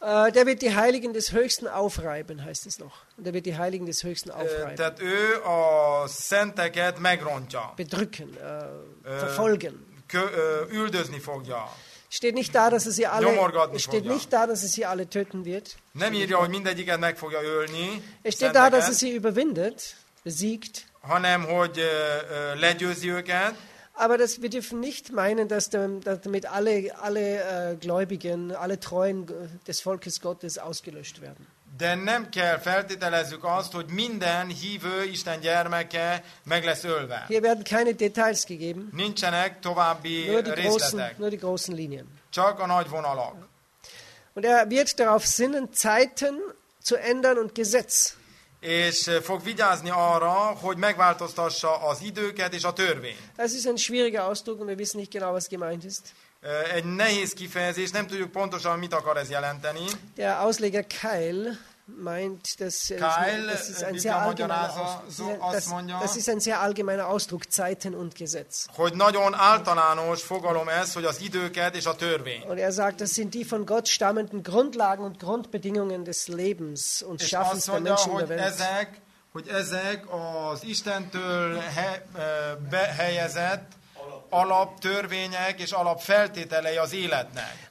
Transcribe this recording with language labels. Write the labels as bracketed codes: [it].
[de] Der wird die Heiligen des Höchsten aufreiben, heißt es noch. Der wird die Heiligen des Höchsten aufreiben. [hu] Tehát ő a szenteket megrontja. [de] Bedrücken, verfolgen. [hu] Üldözni fogja. [de] Steht nicht da, dass es sie alle. Steht nicht da, dass es sie alle töten wird. [hu] Nem írja, hogy mindegyiket meg fogja ölni. [de] Es steht da, dass es sie überwindet, besiegt. [hu] Hanem hogy legyőzi őket. [de] Aber das, wir dürfen nicht meinen, dass damit alle Gläubigen, alle Treuen des Volkes Gottes ausgelöscht werden. [hu] De nem kell feltételezzük azt, hogy minden hívő Isten gyermeke meg lesz ölve. [de] Hier werden keine Details gegeben. [hu] Nincsenek további részletek. [de] Nur die großen Linien. [hu] Csak a nagy vonalak. [de] Und er wird darauf sinnen, Zeiten zu ändern und Gesetz. [hu] És fog vigyázni arra, hogy megváltoztassa az időket és a törvényt. [de] Das ist ein schwieriger Ausdruck und wir wissen nicht genau, was gemeint ist. [hu] Egy nehéz kifejezés, nem tudjuk pontosan, mit akar ez jelenteni. [de] Der Ausleger Keil, meint, dass das ist ein sehr allgemeiner Ausdruck, Zeiten und Gesetz. [hu] Hogy nagyon általános fogalom ez, hogy az időket és a törvény. [de] Und er sagt, das sind die von Gott stammenden Grundlagen und Grundbedingungen des Lebens und Schaffens der Menschen der Welt. [hu] Hogy ezek az Istentől behelyezett alaptörvények és alapfeltételei az életnek,